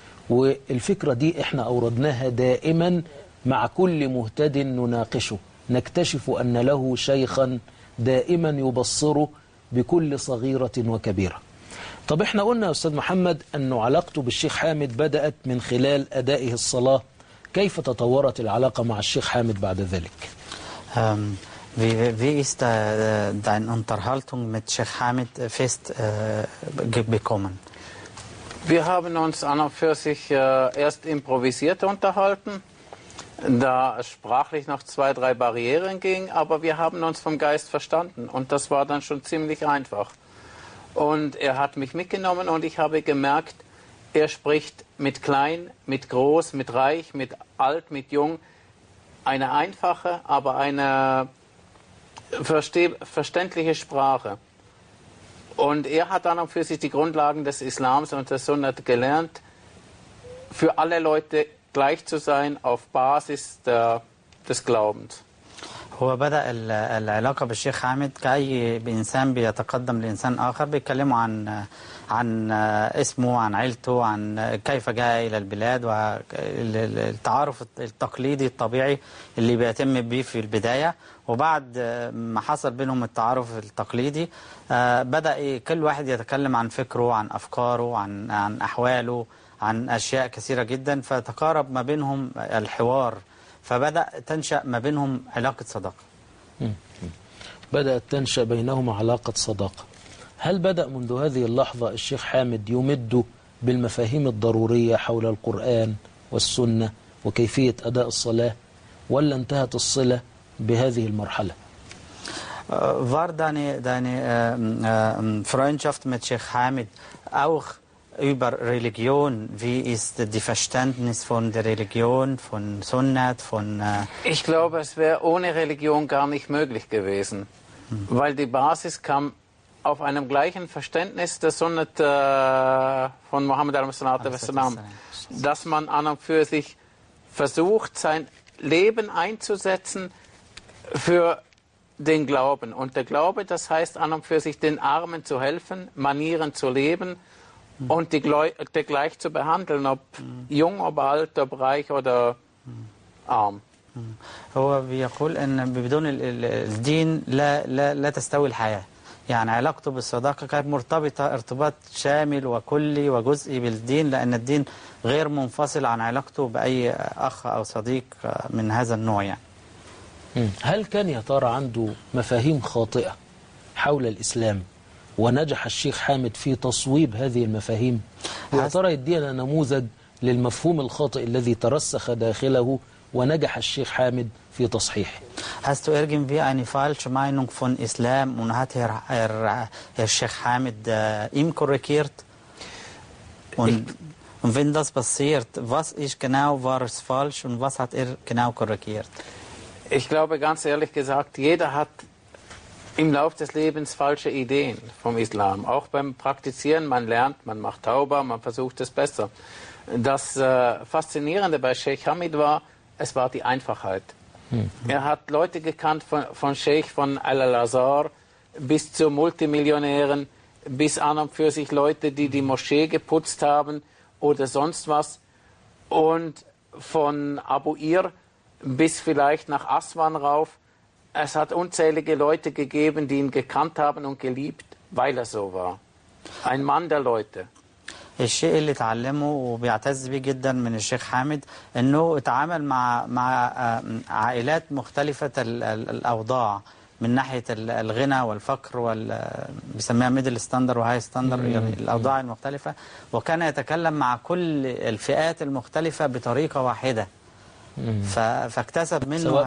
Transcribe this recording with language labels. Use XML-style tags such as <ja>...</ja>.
<ar>والفكرة دي إحنا أوردناها دائما مع كل مهتد نناقشه، نكتشف أن له شيخا دائما يبصره بكل صغيرة وكبيرة. طب إحنا قلنا يا أستاذ محمد أن علاقته بالشيخ حامد بدأت من خلال أدائه الصلاة، كيف تطورت العلاقة مع الشيخ حامد بعد ذلك؟</ar> <de>Wie ist deine Unterhaltung mit Sheikh Hamid fest gekommen? Wir haben uns an und für sich erst improvisiert unterhalten, da sprachlich noch zwei, drei Barrieren ging, aber wir haben uns vom Geist verstanden und das war dann schon ziemlich einfach. Und er hat mich mitgenommen und ich habe gemerkt, er spricht mit klein, mit groß, mit reich, mit alt, mit jung, eine einfache, aber eine verständliche Sprache. Und er hat dann auch für sich die Grundlagen des Islams und der Sunnat gelernt, für alle Leute gleich zu sein auf Basis des Glaubens.</de> <ar>هو بدأ العلاقة بالشيخ حامد كأي إنسان بيتقدم لإنسان آخر، بيكلمه عن اسمه، عن عيلته، عن كيف جاء إلى البلاد، والتعارف التقليدي الطبيعي اللي بيتم به في البداية. وبعد ما حصل بينهم التعارف التقليدي بدأ كل واحد يتكلم عن فكره، عن أفكاره، عن أحواله، عن أشياء كثيرة جدا، فتقارب ما بينهم الحوار، فبدأ تنشأ ما بينهم علاقة صداقة. بدأت تنشأ بينهم علاقة صداقة. هل بدأ منذ هذه اللحظة الشيخ حامد يمد بالمفاهيم الضرورية حول القرآن والسنة وكيفية أداء الصلاة، ولا انتهت الصلة بهذه المرحلة؟</ar> <de>War deine Freundschaft mit Sheikh Hamid auch über Religion? Wie ist die Verständnis von der Religion, von Sunnat, von Ich glaube, es wäre ohne Religion gar nicht möglich gewesen, weil die Basis kam auf einem gleichen Verständnis der Sunnat von Mohammed al-Muslim, dass man an und für sich versucht, sein Leben einzusetzen für den Glauben. Und der Glaube, das heißt an und für sich, den Armen zu helfen, Manieren zu leben und die Leute gleich zu behandeln, ob jung, ob alt, ob reich oder arm.</de> <ar>هو بيقول ان بدون الدين لا تستوي الحياه، يعني علاقته بالصداقة كانت مرتبطة ارتباط شامل وكلي وجزئي بالدين، لأن الدين غير منفصل عن علاقته بأي أخ أو صديق من هذا النوع. يعني هل كان يا ترى عنده مفاهيم خاطئة حول الإسلام ونجح الشيخ حامد في تصويب هذه المفاهيم؟ يا ترى يدينا نموذج للمفهوم الخاطئ الذي ترسخ داخله ونجح الشيخ حامد في تصحيحه.</ar> <de>Hast du irgendwie eine falsche Meinung von Islam und hat Herr Sheikh Hamid ihm korrigiert? Und wenn das passiert, was ist genau, war es falsch und was hat genau korrigiert? Ich glaube, ganz ehrlich gesagt, jeder hat im Lauf des Lebens falsche Ideen vom Islam. Auch beim Praktizieren, man lernt, man macht Tauba, man versucht es besser. Das Faszinierende bei Sheikh Hamid war, es war die Einfachheit. Er hat Leute gekannt von Sheikh von Al-Azhar bis zu Multimillionären, bis an und für sich Leute, die die Moschee geputzt haben oder sonst was. Und von Abu Ir bis vielleicht nach Aswan rauf. Es hat unzählige Leute gegeben, die ihn gekannt haben und geliebt, weil er so war. Ein Mann der Leute.</de> <ar>الشيء اللي تعلمه وبيعتز به جدا من الشيخ حامد انه اتعامل مع عائلات مختلفة الاوضاع من ناحية الغنى والفقر بيسميها</ar> <en>middle standard وهاي standard</en> <ar>الاوضاع المختلفة، وكان يتكلم مع كل الفئات المختلفة بطريقة واحدة فاكتسب منه</ar>